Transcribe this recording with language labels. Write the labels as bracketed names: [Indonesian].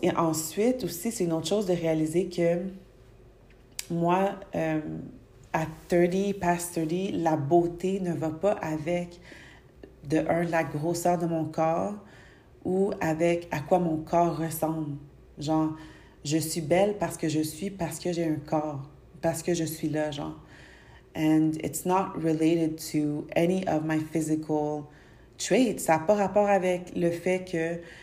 [French] Et ensuite, aussi, c'est une autre chose de réaliser que moi, à 30, [English] past 30, [French] la beauté ne va pas avec, de un, la grosseur de mon corps ou avec à quoi mon corps ressemble. Genre, je suis belle parce que je suis, parce que j'ai un corps, parce que je suis là, genre. [English] And it's not related to any of my physical traits. [French] Ça n'a pas rapport avec le fait que...